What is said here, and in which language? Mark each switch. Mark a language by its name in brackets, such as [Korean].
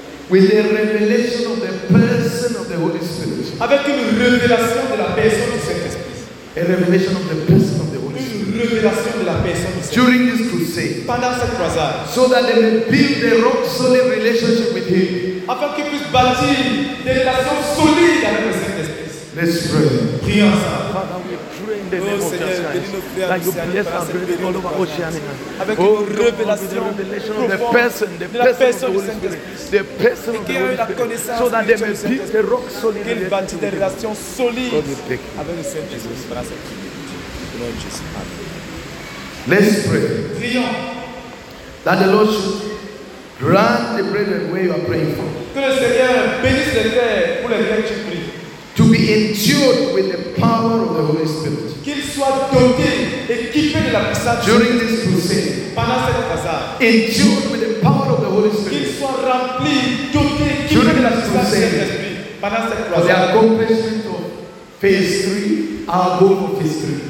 [English] with the revelation of the person of the Holy Spirit, [French] avec une révélation de la personne du Saint-Esprit, [English] a revelation of the person of the Holy Spirit, [French] une révélation de la personne du Saint-Esprit, [English] during this crusade, [French] pendant cette croisade, [English] so that they may build their rock solid relationship with Him, [French] afin qu'ils puissent bâtir des relations solides avec le Saint-Esprit. [English] Let's pray. [French] Prions ensemble. [English] Father, we pray in the name of Jesus Christ that you bless our brethren all over Oceania. Oh, revelation of the person of the Holy Spirit. The person of the Holy Spirit. So that they may build the rock solid relationship. Build the relations solid. God, we thank you. Let's pray. [French] Prions. [English] That the Lord should grant the brethren where you are praying for. [French] Que le Seigneur bénisse les frères pour les frères tu pries. [English] To be endued with the power of the Holy Spirit. [French] Qu'il soit doté, équipé de la puissance [English] during this crusade. [French] Pendant cette croisade. [English] Endued with the power of the Holy Spirit. [French] Qu'il soit rempli, doté, équipé de la puissance du Saint-Esprit. Pendant cette croisade. [English] For the accomplishment of phase 3, our goal of phase 3.